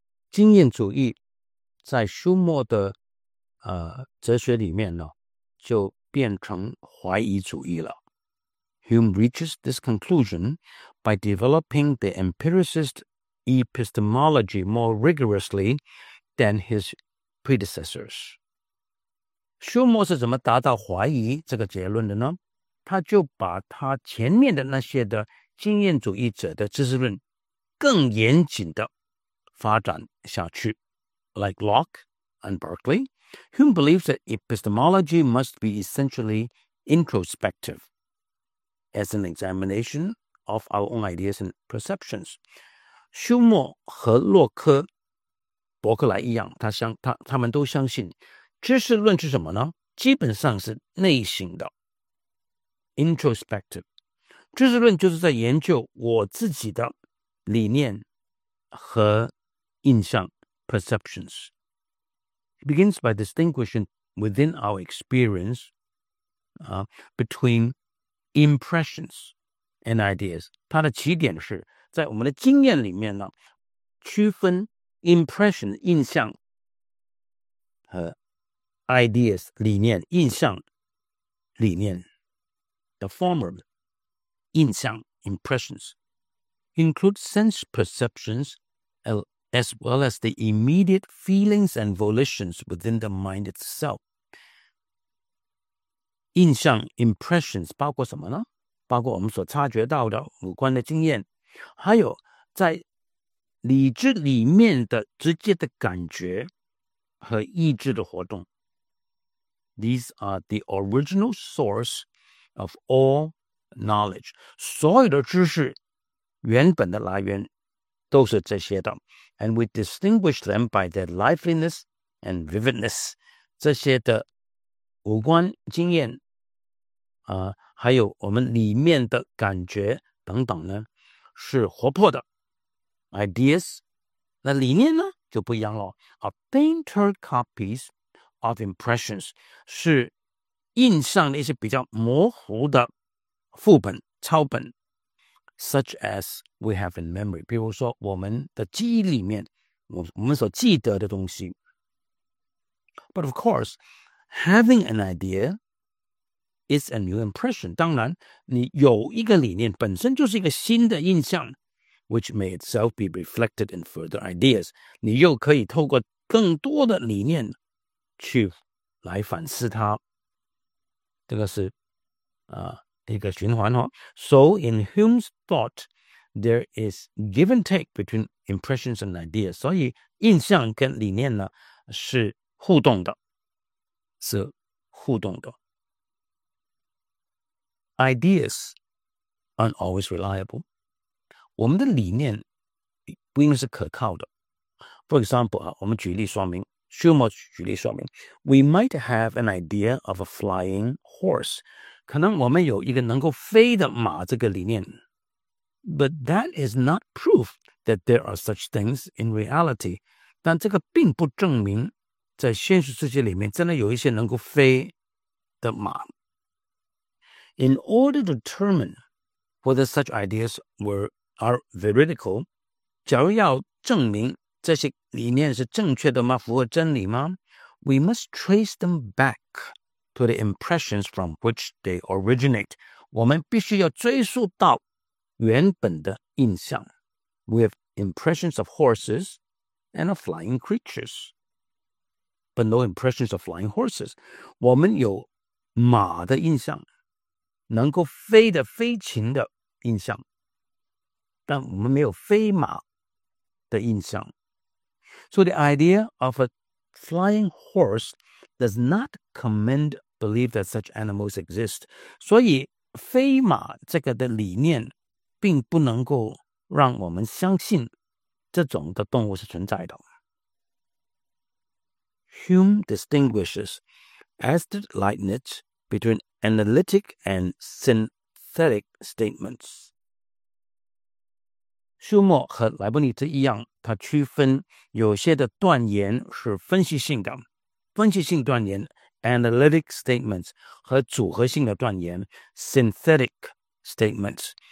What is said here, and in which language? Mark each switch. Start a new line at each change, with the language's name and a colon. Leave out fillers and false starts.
Chinese: 经验主义在休谟的哲学里面呢，就变成怀疑主义了。
English: Hume reaches this conclusion by developing the empiricist epistemology more rigorously than his predecessors.
Chinese: 休谟是怎么达到怀疑这个结论的呢？他就把他前面的那些的经验主义者的知识论更严谨的发展下去。
English: Like Locke and Berkeley, Hume believes that epistemology must be essentially introspective as an examination of our own ideas and perceptions.
Chinese: 休谟和洛克、伯克莱一样， 他们都相信知识论是什么呢？基本上是内省的
English: ，introspective。
Chinese: 知识论就是在研究我自己的理念和印象
English: ，perceptions。 It begins by distinguishing within our experience, between impressions and ideas。
Chinese: 它的起点是在我们的经验里面呢，区分 impression 印象和。 Ideas, 理念,印象,理念
English: The former,
Chinese: 印象
English: impressions, include sense perceptions as well as the immediate feelings and volitions within the mind itself.
Chinese: 印象 impressions 包括什么呢? 包括我们所察觉到的五官的经验,还有在理智里面的直接的感觉和意志的活动。
English: These are the original source of all knowledge.
Chinese: 所有的知识原本的来源都是这些的。
English: And we distinguish them by their liveliness and vividness.
Chinese: 这些的五官经验还有我们里面的感觉等等呢是活泼的。
English: Ideas,
Chinese: 那理念呢就不一样了。
English: Are fainter copies,of impressions
Chinese: 是印象的一些比较模糊的副本抄本
English: such as we have in memory
Chinese: 比如说我们的记忆里面 我们所记得的东西
English: but of course having an idea is a new impression
Chinese: 当然你有一个理念本身就是一个新的印象
English: which may itself be reflected in further ideas
Chinese: 你又可以透过更多的理念去来反思它，这个是一个循环哦。
English: So in Hume's thought, there is give and take between impressions and ideas.
Chinese: 所以印象跟理念呢是互动的，是互动的。
English: Ideas aren't always reliable.
Chinese: 我们的理念不一定是可靠的。
English: For example
Chinese: 我们举例说明。休谟举例说明
English: We might have an idea of a flying horse
Chinese: 可能我们有一个能够飞的马这个理念
English: But that is not proof that there are such things in reality
Chinese: 但这个并不证明在现实世界里面真的有一些能够飞的马
English: In order to determine whether such ideas are veridical
Chinese: 假如要证明这些理念是正确的吗？符合真理吗
English: ？We must trace them back to the impressions from which they originate.
Chinese: 我们必须要追溯到原本的印象。
English: We have impressions of horses and of flying creatures, but no impressions of flying horses.
Chinese: 我们有马的印象，能够飞的飞禽的印象，但我们没有飞马的印象。
English: So the idea of a flying horse does not commend believe that such animals exist.
Chinese: 所以飞马这个的理念并不能够让我们相信这种的动物是存在的。
English: Hume distinguishes Astrid Leibniz between analytic and synthetic statements.
Chinese: 休谟和莱布尼茨一样，他区分有些的断言是分析性的，分析性断言 analytic statements 和组合性的断言 synthetic statements,